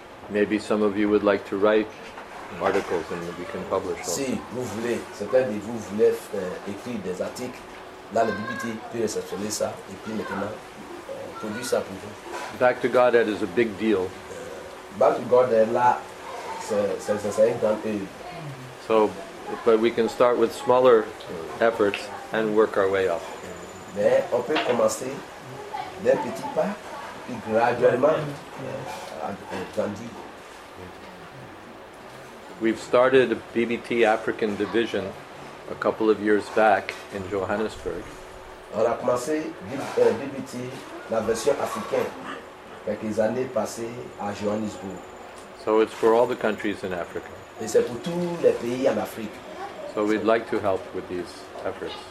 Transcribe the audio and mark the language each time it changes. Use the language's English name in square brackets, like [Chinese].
[English] Maybe some of you would like to write articles and we can publish them. [French] Si vous voulez, certains de vous voulez écrire des articles, là le BBT peut réceptionner ça et puis maintenant produire ça pour vous. [English] Back to Godhead is a big deal. [French] Back to Godhead, là, c'est un grand œil. [English] So, but we can start with smaller efforts and work our way up. [French] Mais on peut commencer d'un petit pas, puis graduellement, grandir. [English] We've started a BBT African division a couple of years back in Johannesburg. [French] On a commencé BBT, la version africaine, quelques années passées à Johannesburg. [English] So it's for all the countries in Africa. [French] Et c'est pour tous les pays en Afrique. [English] So we'd like to help with these efforts.